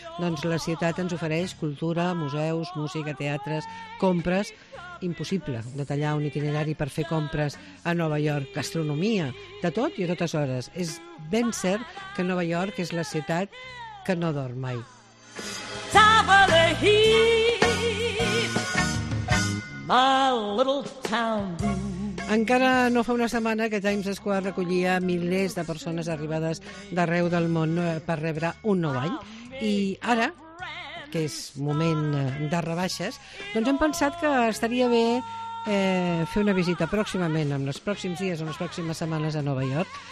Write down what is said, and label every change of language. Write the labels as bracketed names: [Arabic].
[Catalan] Doncs la ciutat ens ofereix cultura, museus, música, teatres, compres. Impossible detallar un itinerari per fer compres a Nova York. Gastronomia, de tot i a totes hores. És ben cert que Nova York és la ciutat que no dorm mai. [English] Top of the heap, my little town. [Catalan] Encara no fa una setmana que Times Square recollia milers de persones arribades d'arreu del món per rebre un nou any. I ara, que és moment de rebaixes, doncs hem pensat que estaria bé fer una visita pròximament, en els pròxims dies, en les pròximes setmanes a Nova York.